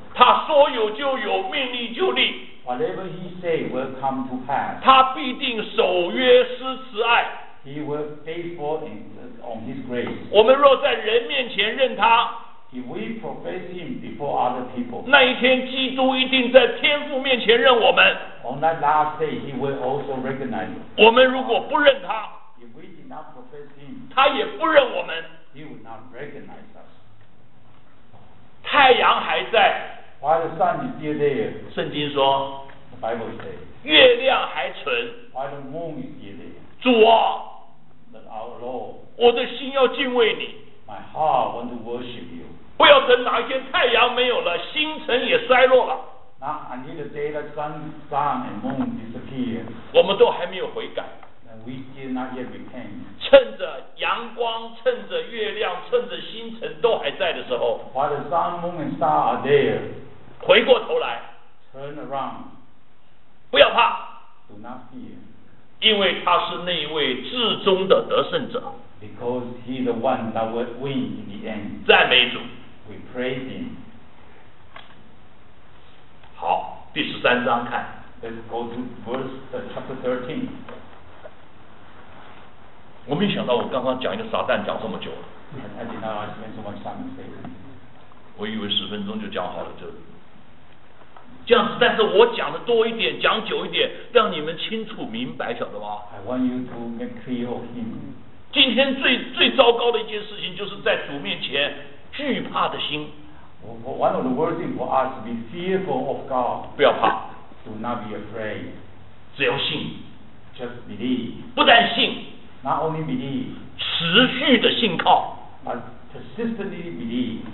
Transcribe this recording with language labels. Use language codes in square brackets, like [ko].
[zh] 他说有就有，命立就立。 [en] Whatever he say will come to pass. [zh] 他必定守约施慈爱。 [en] He will faithful in on his grace. [zh] 我们若在人面前认他。 [en] If we profess him before other people. [zh] 那一天基督一定在天父面前认我们。 [en] On that last day he will also recognize. [zh] 我们如果不认他。 [en] If we did not profess him. [zh] 他也不认我们。 [en] He will not recognize us. [zh] 太阳还在。 [en] While the sun is still there, [zh] 圣经说 [en] the Bible says, [zh] 月亮还存 [en] While the moon is still there, [zh] 主啊 [en] But our Lord, [zh] 我的心要敬畏你 [en] My heart want to worship you [zh] 不要等哪一天太阳没有了星辰也衰落了 [en] Now I need the day that sun and moon disappear [zh] 我们都还没有悔改 [en] And we still not yet repent [zh] 趁着阳光趁着月亮趁着星辰都还在的时候 [en] While the sun, moon and star are there [zh] 回过头来 [en] Turn around [zh] 不要怕 [en] Do not fear [zh] 因为他是那一位至终的得胜者 [en] Because he is the one that will win in the end [zh] 赞美主 [en] We praise him [zh] 好第十三章看 [en] Let's go to verse chapter 13 [zh] 我没想到我刚刚讲一个撒旦讲这么久 [en] I did not spend so much time today [zh] 我以为十分钟就讲好了就这样子，但是我讲的多一点，讲久一点，让你们清楚明白，晓得吗 [en] ？I want you to make clear of him. [zh] 今天最糟糕的一件事情，就是在主面前惧怕的心。 [en] One of the worst things for us to be fearful of God. [zh] 不要怕。 [en] Do not be afraid. [zh] 只要信。 [en] Just believe. [zh] 不但信。 [en] Not only believe. [zh] 持续的信靠。 [en] But persistently believe.